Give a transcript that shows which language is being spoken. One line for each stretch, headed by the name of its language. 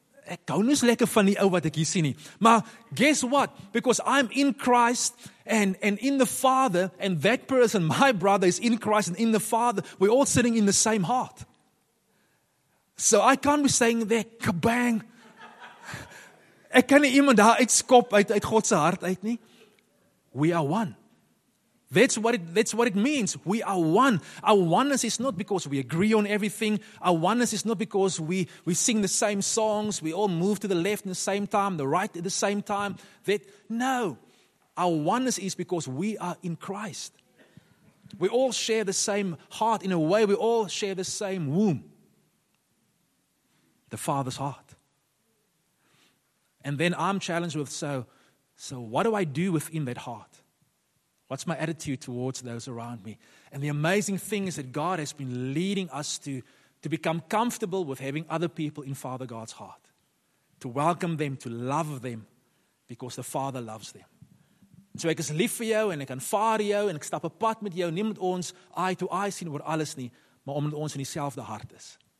Afrikaans: ek hou nie so lekker van die ou wat ek hier sien nie.
English: Maar guess what? Because I'm in Christ and in the Father, and that person, my brother, is in Christ and in the Father, we're all sitting in the same heart. So I can't be saying that kabang.
Afrikaans: Ek kan nie iemand daar uitskop uit God se hart uit nie.
English: We are one. That's what it means. We are one. Our oneness is not because we agree on everything. Our oneness is not because we sing the same songs. We all move to the left at the same time, the right at the same time. No. Our oneness is because we are in Christ. We all share the same heart. In a way, we all share the same womb. The Father's heart. And then I'm challenged with, so what do I do within that heart? What's my attitude towards those around me? And the amazing thing is that God has been leading us to become comfortable with having other people in Father God's heart. To welcome them, to love them, because the Father loves them.
Afrikaans: So ek is lief vir jou, en ek aanvaar jou, en ek stap 'n pad met jou, nie met ons
English: eye to eye
Afrikaans: sien oor alles nie, maar omdat ons in dieselfde hart is.